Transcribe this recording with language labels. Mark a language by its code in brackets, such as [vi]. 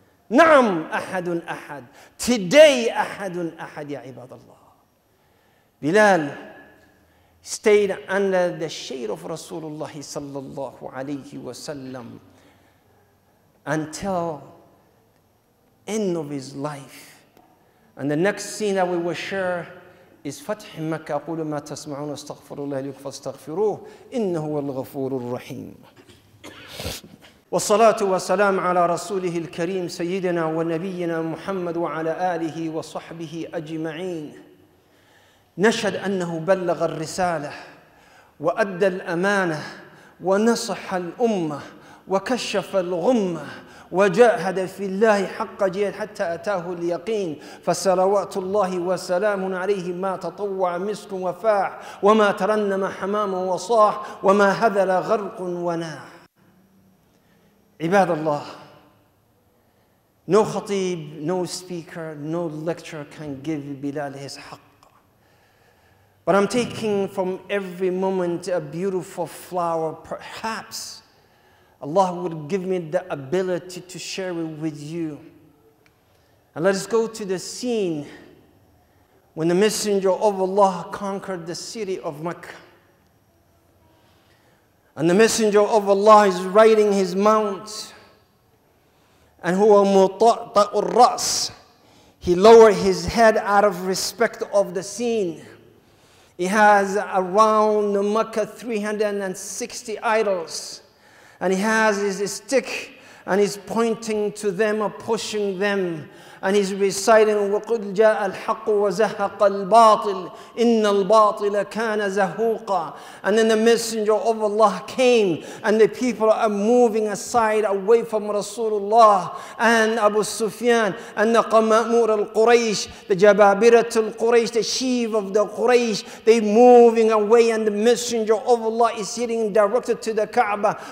[ar] نعم أحد أحد [en] today [ar] أحد أحد يا عباد الله. [en] بلال stayed under the shade of Rasulullah صلى الله عليه وسلم until end of his life. And the next scene that we will share is فتح مكة. [ar] قولوا ما تسمعون استغفر الله لكم فاستغفروه إنه هو الغفور الرحيم. والصلاة والسلام على رسوله الكريم سيدنا ونبينا محمد وعلى آله وصحبه أجمعين. نشهد أنه بلغ الرسالة وأدى الأمانة ونصح الأمة وكشف الغمة وجاهد في الله حق جهاد حتى أتاه اليقين. فصلوات الله وسلام عليه ما تطوع مسك وفاح وما ترنم حمام وصاح وما هذل غرق وناح. عباد الله, [en] no khatib, no speaker, no lecture can give Bilal his haqq. But I'm taking from every moment a beautiful flower. Perhaps Allah would give me the ability to share it with you. And let us go to the scene when the Messenger of Allah conquered the city of Mecca. And the Messenger of Allah is riding his mount. [ar] And هو مطأطأ الرأس. [en] He lowered his head out of respect of the scene. He has around Mecca 360 idols. And he has his stick and he's pointing to them or pushing them. And he's reciting, [ar] وَقُلْ جَاءَ الْحَقُّ وَزَهَقَ الْبَاطِلِ إِنَّ الْبَاطِلَ كَانَ زَهُوقًا. [en] And then the Messenger of Allah came and the people are moving aside away from Rasulullah and Abu Sufyan and the Qamamur al-Quraysh, the Jababirat al-Quraysh, the sheaf of the Quraysh, they're moving away and the Messenger of Allah is sitting directed to the Kaaba.